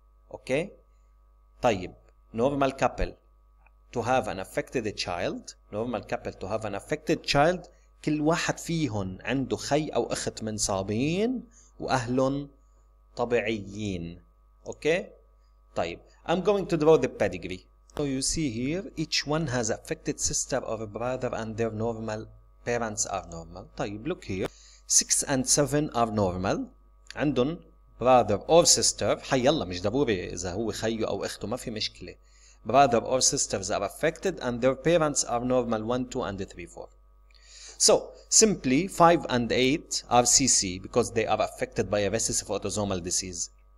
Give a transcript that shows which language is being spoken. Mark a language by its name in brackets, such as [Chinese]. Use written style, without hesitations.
[Arabic] اوكي طيب [English] normal couple to have an affected child, normal couple to have an affected child, [Arabic] كل واحد فيهن عنده خي أو أخت من صابين وأهلهم طبيعيين. أوكي طيب [English] I'm going to draw the pedigree. So you see here each one has affected sister or brother and their normal parents are normal. طيب look here 6 and 7 are normal. [Arabic] عندهم [English] brother or sister, [Arabic] حيالله مش ضروري إذا هو خيه أو أخته ما في مشكلة. [English] Brother or sisters are affected and their parents are normal 1, 2 and 3, 4. So, simply 5 and 8 are CC because they are affected by a recessive autosomal disease.